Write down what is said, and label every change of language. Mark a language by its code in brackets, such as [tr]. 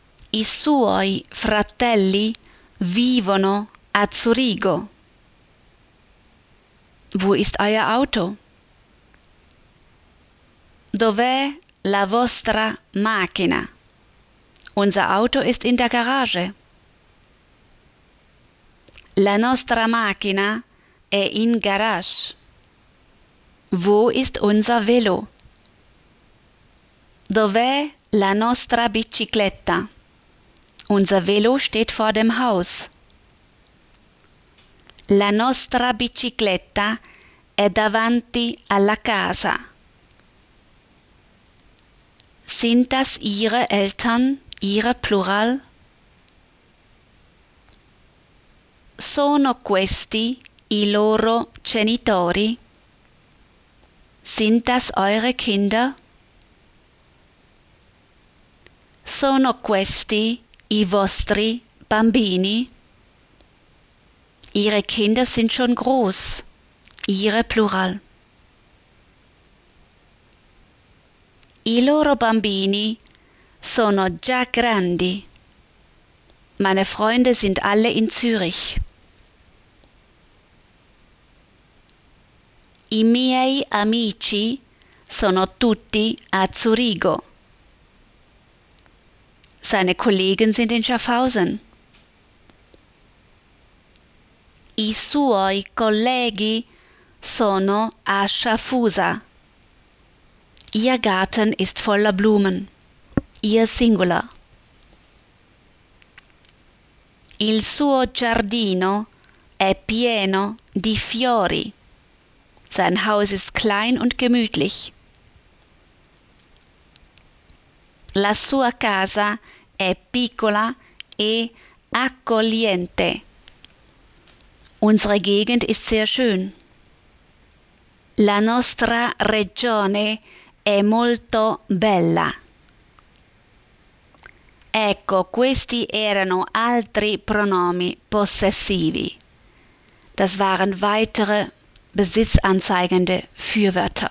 [it] I suoi fratelli vivono a Zurigo. [de] Wo ist euer Auto? [it] Dov'è la vostra macchina? [de] Unser Auto ist in der Garage. [it] La nostra macchina è in garage. [de] Wo ist unser Velo? [it] Dov'è la nostra bicicletta? [de] Unser Velo steht vor dem Haus. [it] La nostra bicicletta è davanti alla casa. [de] Sind das Ihre Eltern, Ihre Plural? [it] Sono questi i loro genitori? [de] Sind das eure Kinder? [it] Sono questi i vostri bambini? [de] Ihre Kinder sind schon groß. Ihre Plural. [it] I loro bambini sono già grandi. [de] Meine Freunde sind alle in Zürich. [it] I miei amici sono tutti a Zurigo. [de] Seine Kollegen sind in Schaffhausen. [it] I suoi colleghi sono a Schaffusa. [de] Ihr Garten ist voller Blumen. Ihr Singular. [it] Il suo giardino è pieno di fiori. [de] Sein Haus ist klein und gemütlich. [it] La sua casa è piccola e accogliente. [de] Unsere Gegend ist sehr schön. [it] La nostra regione è molto bella. Ecco, questi erano altri pronomi possessivi. [de] Das waren weitere besitzanzeigende Fürwörter.